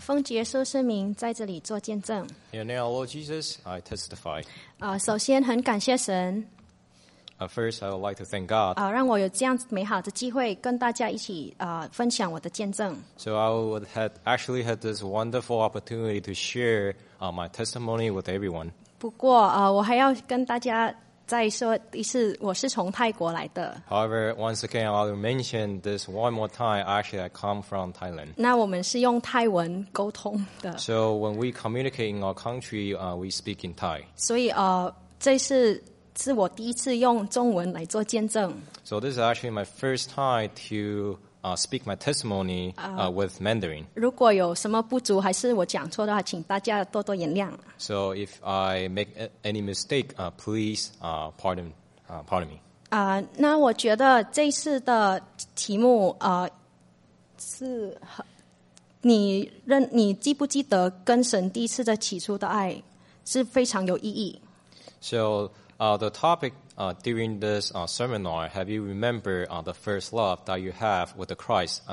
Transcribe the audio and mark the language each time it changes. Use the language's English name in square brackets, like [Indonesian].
[Chinese] 奉主耶稣圣名在这里做见证。 [English] In the name of Lord Jesus, I testify. [Chinese] 首先很感谢神。 [English] First, I would like to thank God. [Chinese] 让我有这样美好的机会跟大家一起分享我的见证。 [English] So I would have actually had this wonderful opportunity to share my testimony with everyone. [Chinese] 不过我还要跟大家再说一次，我是从泰国来的。 [English] However, once again, I will mention this one more time. Actually, I come from Thailand. [Chinese] 那我们是用泰文沟通的。 [English] So when we communicate in our country, we speak in Thai. [Chinese] 所以这是。是我第一次用中文来做见证。 [English] So this is actually my first time to speak my testimony with Mandarin. [Chinese] 如果有什么不足还是我讲错的话，请大家多多原谅。 [English] So if I make any mistake, please pardon me. [Chinese] 那我觉得这次的题目是你记不记得跟神第一次的起初的爱是非常有意义。 [English] So the topic during this seminar, have you remembered the first love that you have with the Christ?